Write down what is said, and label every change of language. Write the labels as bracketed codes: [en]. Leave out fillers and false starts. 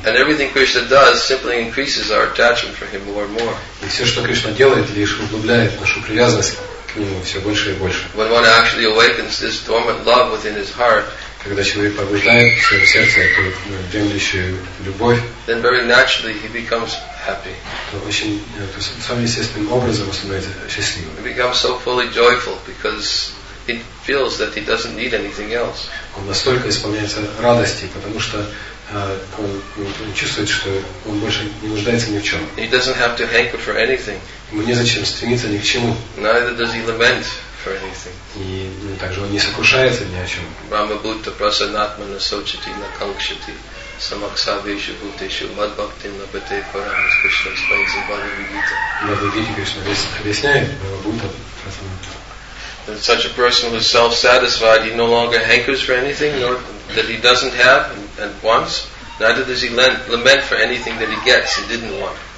[en] And everything Krishna does simply increases our attachment for him more and more. [ru] И все, что Кришна делает, лишь углубляет нашу привязанность к нему все больше и больше. [en] When one actually awakens this dormant love within his heart, [ru] когда человек пробуждает в своем сердце эту дремлющую любовь, [en] then very naturally he becomes happy. He becomes so fully joyful because he feels that he doesn't need anything else. [ru] Он настолько исполняется радости, потому что он чувствует, что он больше не нуждается ни в чем. [en] He doesn't have to hanker for anything. [ru] Ему незачем стремиться ни к чему. [en] Neither does he lament for anything. [ru] И также он не сокрушается ни о чем. [sa] Brahma Bhutta Prasanatmana Sochati Nakankshati Samaksavishu Bhutishu Madbhaktim Labhate Param, [en] as Krishna explains in Bhagavad Gita. [ru] Бхагавад-гита Кришна объясняет [sa] Брахма Бхутта Прасанатмана. [en] That such a person who is self-satisfied, he no longer hankers for anything nor that he doesn't have and wants, neither does he lament for anything that he gets and didn't want.